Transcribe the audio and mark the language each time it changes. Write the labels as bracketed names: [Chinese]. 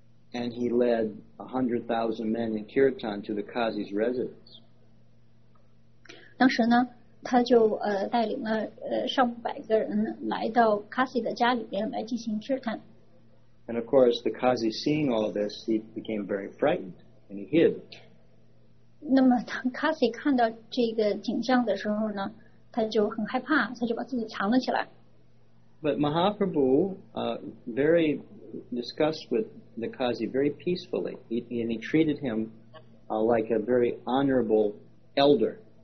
[English] And he led 100,000 men in Kirtan to the Qazi's residence. [Chinese] 当时呢，他就带领了上百个人来到Qazi的家里边来进行 Kirtan. [English] And of course, the Qazi seeing all this, he became very frightened and he hid. [Chinese] 那么当Qazi看到这个景象的时候呢，他就很害怕，他就把自己藏了起来。 [English] But Mahaprabhu very discussed with the Qazi very peacefully, and he treated him like a very honorable elder.